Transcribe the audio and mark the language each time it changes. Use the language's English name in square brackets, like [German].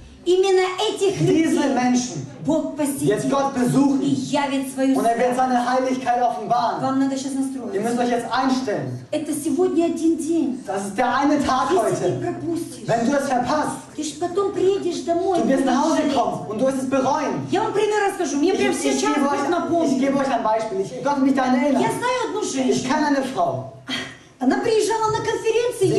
[Russian] Именно этих людей Бог посетит и явит свою славу. Вам надо сейчас настроиться. Это сегодня один день. [German] Das ist der eine Tag [Russian] если [German] heute. [Russian] Ты пропустишь, [German] wenn du es verpasst, [Russian] ты же потом приедешь домой. [German] Du wirst nach Hause kommen und du wirst es bereuen. [Russian] Я вам пример расскажу. Мне прямо сейчас Бог напомнит. Я знаю одну женщину. Она приезжала на конференцию,